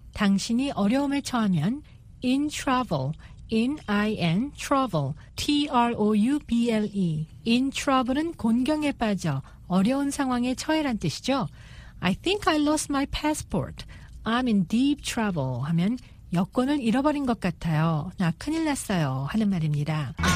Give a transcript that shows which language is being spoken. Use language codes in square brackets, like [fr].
[ko] 당신이 어려움을 처하면 [en] in trouble. In trouble, T-R-O-U-B-L-E. In trouble [ko] 은 곤경에 빠져, 어려운 상황에 처해란 뜻이죠. [en] I think I lost my passport. I'm in deep trouble [ko] 하면 여권을 잃어버린 것 같아요. 나 큰일 났어요 하는 말입니다.